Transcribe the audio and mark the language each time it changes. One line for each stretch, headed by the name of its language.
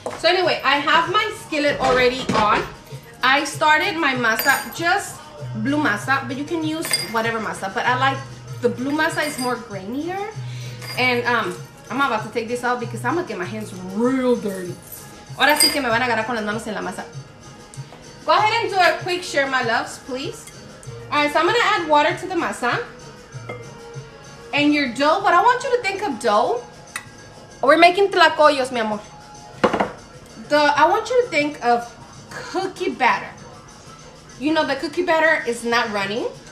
English: So, anyway, I have my skillet already on. I started my masa, just blue masa, but you can use whatever masa. But I like, the blue masa is more grainier. And I'm about to take this out because I'm going to get my hands real dirty.
Spanish: Ahora sí que me van a agarrar con las manos en la masa.
English: Go ahead and do a quick share, my loves, please. All right, so I'm going to add water to the masa. And your dough, what I want you to think of dough. We're making tlacoyos,
Spanish: mi amor.
English: I want you to think of cookie batter. You know, the cookie batter is not runny.